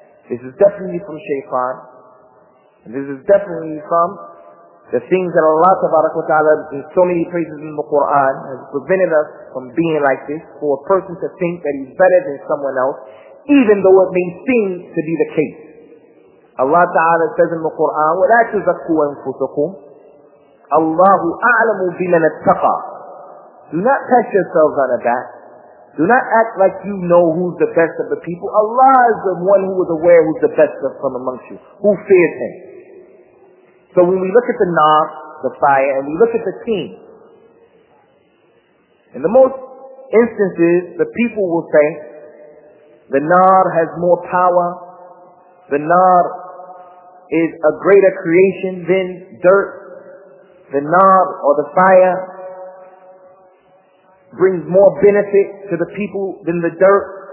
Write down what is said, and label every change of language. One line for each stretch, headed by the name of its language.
English: This is definitely from shaytan. And this is definitely from the things that Allah tabarak wa ta'ala in so many places in the Quran has prevented us from being like this, for a person to think that he's better than someone else, even though it may seem to be the case.
Arabic: Allah ta'ala says in the Quran, وَلَا تُزَكُوا أَنفُسَكُمْ أَلَّهُ أَعْلَمُ بِمَنَ اتَّقَى.
English: Do not pat yourselves on the back. Do not act like you know who's the best of the people. Allah is the one who is aware who's the best of from amongst you. Who fears Him? So when we look at the nar, the fire, and we look at the team, in the most instances, the people will say, the nar has more power, the nar is a greater creation than dirt, the nar or the fire brings more benefit to the people than the dirt.